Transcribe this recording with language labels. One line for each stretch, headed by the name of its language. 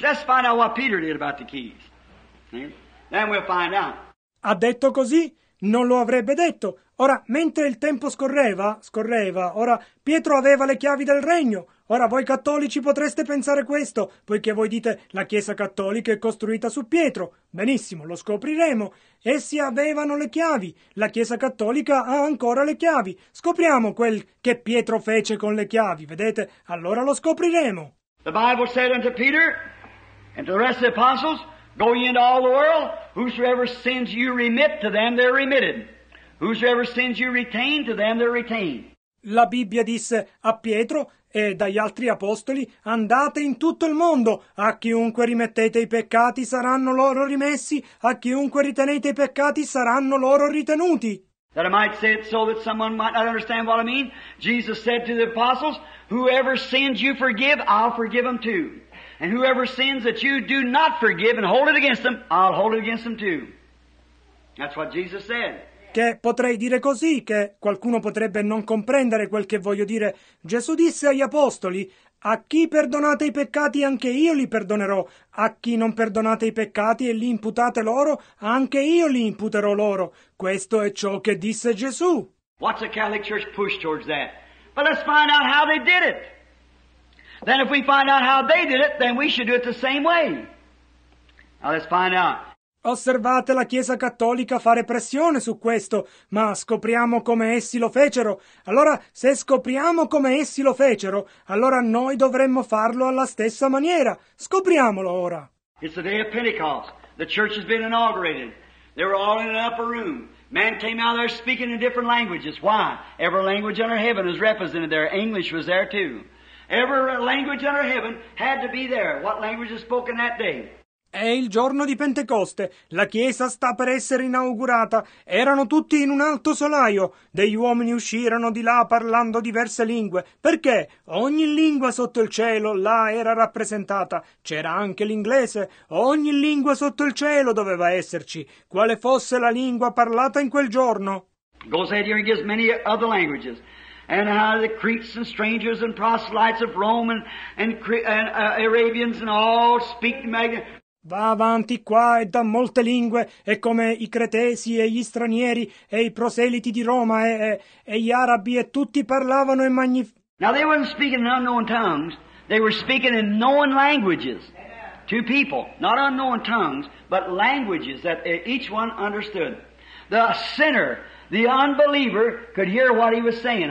English: Let's find out what Peter did about the keys. Then we'll find out.
Italian: Ha detto così? Non lo avrebbe detto. Ora, mentre il tempo scorreva, ora Pietro aveva le chiavi del regno. Ora, voi cattolici potreste pensare questo, poiché voi dite la Chiesa cattolica è costruita su Pietro. Benissimo, lo scopriremo. Essi avevano le chiavi. La Chiesa cattolica ha ancora le chiavi. Scopriamo quel che Pietro fece con le chiavi, vedete? Allora lo scopriremo.
English: The Bible said unto Peter and to the rest of the apostles, go ye into all the world, whosoever sins you remit to them, they're remitted. Whosoever sins you retain to them, they're retained.
Italian: La Bibbia disse a Pietro e dagli altri apostoli, andate in tutto il mondo, a chiunque rimettete i peccati saranno loro rimessi, a chiunque ritenete i peccati saranno loro ritenuti.
English: That I might say it so that someone might not understand what I mean, Jesus said to the apostles, whoever sins you forgive, I'll forgive them too. And whoever sins that you do not forgive and hold it against them, I'll hold it against them too. That's what Jesus said.
Italian: Che potrei dire così, che qualcuno potrebbe non comprendere quel che voglio dire. Gesù disse agli apostoli, a chi perdonate i peccati anche io li perdonerò, a chi non perdonate i peccati e li imputate loro, anche io li imputerò loro. Questo è ciò che disse Gesù.
English: What's the Catholic Church push towards that? But let's find out how they did it. Then if we find out how they did it, then we should do it the same way. Now let's find out.
Italian: Osservate la Chiesa Cattolica fare pressione su questo, ma scopriamo come essi lo fecero. Allora, se scopriamo come essi lo fecero, allora noi dovremmo farlo alla stessa maniera. Scopriamolo ora.
English: It's the day of Pentecost. The church has been inaugurated. They were all in an upper room. Man came out there speaking in different languages. Why? Every language under heaven is represented there. English was there too. Every language under heaven had to be there. What language is spoken that day?
Italian: È il giorno di Pentecoste, la chiesa sta per essere inaugurata, erano tutti in un alto solaio, degli uomini uscirono di là parlando diverse lingue, perché ogni lingua sotto il cielo là era rappresentata, c'era anche l'inglese, ogni lingua sotto il cielo doveva esserci, quale fosse la lingua parlata in quel giorno.
English: Goes ahead here and gives many other languages. And how the Cretes and strangers and proselytes of Rome and Arabians and all speak Magnificat.
Italian: Va avanti qua e da molte lingue, e come i cretesi e gli stranieri e i proseliti di Roma e gli arabi e tutti parlavano in magnifico.
English: Now they weren't speaking in unknown tongues, they were speaking in known languages to people. Not unknown tongues, but languages that each one understood. The sinner, the unbeliever, could hear what he was saying.